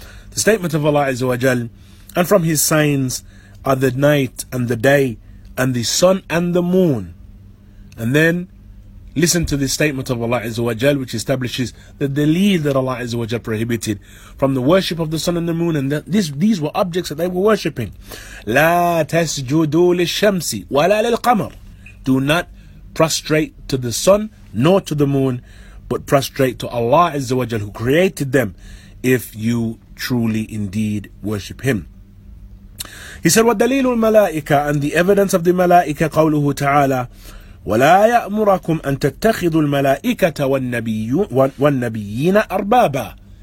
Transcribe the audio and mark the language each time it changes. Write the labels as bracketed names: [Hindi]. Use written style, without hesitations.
[English] The statement of Allah Azza wa Jal, and from His signs are the night and the day and the sun and the moon. And then listen to the statement of Allah Azza wa Jal, which establishes the deleed that Allah Azza wa Jal prohibited from the worship of the sun and the moon, and that these were objects that they were worshipping. [Arabic] لا تسجدوا للشمس ولا للقمر. [English] Do not prostrate to the sun nor to the moon, but prostrate to Allah Azza wa Jal, who created them, if you truly indeed worship Him. He said, [Arabic] وَالدَّلِيلُ الْمَلَائِكَةِ, [English] and the evidence of the Malaika, [Arabic] قَوْلُهُ تَعَالَى وَلَا يَأْمُرَكُمْ أَن تَتَّخِذُوا الْمَلَائِكَةَ وَالنَّبِيِّينَ أَرْبَابًا.